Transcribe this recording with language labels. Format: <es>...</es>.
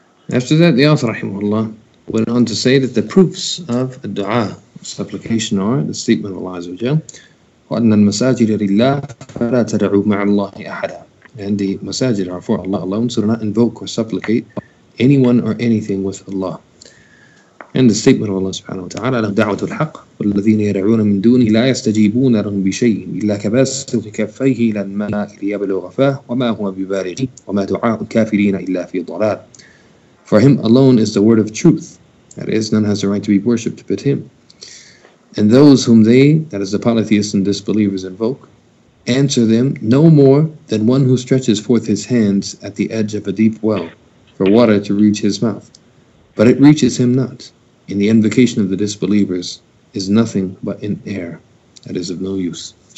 <en>After that, the author رحمه الله went on to say that the proofs of a dua, supplication, are the statement of Allah Azza wa Jalla,</en> <ar>وَأَنَّ الْمَسَاجِدَ لِلَّهِ فَلَا تَدَعُوا مَعَ اللَّهِ أَحَدًا.</ar> <en>And the masajid are for Allah alone, so do not invoke or supplicate anyone or anything with Allah. And the statement of Allah subhanahu wa ta'ala,</en> <ar>لَهُ دَعْوَةُ الْحَقِّ وَالَّذِينَ يَدْعُونَ مِن دُونِهِ لَا يَسْتَجِيبُونَ لَهُم بِشَيْءٍ إِلَّا كَبَاسِطِ كَفَّيْهِ إِلَى الْمَاءِ لِيَبْلُغَ فَاهُ وَمَا هُوَ بِبَالِغِهِ وَمَا دُعَاءُ الْكَافِرِينَ إِلَّا فِي ضَلَالٍ.</ar> <en>For him alone is the word of truth, that is, none has the right to be worshipped but him. And those whom they, that is the polytheists and disbelievers, invoke, answer them no more than one who stretches forth his hands at the edge of a deep well for water to reach his mouth, but it reaches him not, and the invocation of the disbelievers is nothing but in air, that is of no use.</en>